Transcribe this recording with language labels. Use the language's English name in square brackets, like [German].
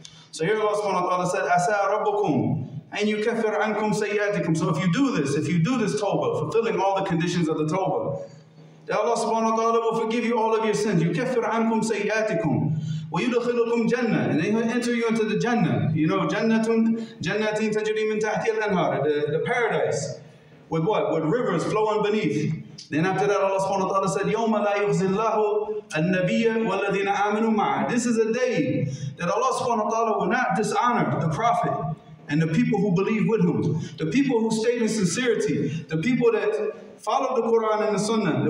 [English] So here Allah subhanahu wa ta'ala said, [Arabic] Asa rabbukum, an yukaffir ankum sayyatikum. [English] So if you do this, if you do this tawbah, fulfilling all the conditions of the tawbah, that Allah subhanahu wa ta'ala will forgive you all of your sins. [Arabic] Yukaffir ankum sayyatikum. وَيُدَخِلُكُمْ جَنَّةٍ [English] And they will enter you into the Jannah. [Arabic] You know, جَنَّةٍ تَجْرِي مِنْ تَحْتِي الْأَنْهَارِ [English] The paradise. With what? With rivers flowing beneath. Then after that, Allah subhanahu wa ta'ala said, [Arabic] يَوْمَ لَا يُخْزِي اللَّهُ النَّبِيَّ وَالَّذِينَ آمَنُوا مَعَهُ [English] This is a day that Allah subhanahu wa ta'ala will not dishonor the Prophet and the people who believe with him. The people who stayed in sincerity. The people that followed the Quran and the Sunnah.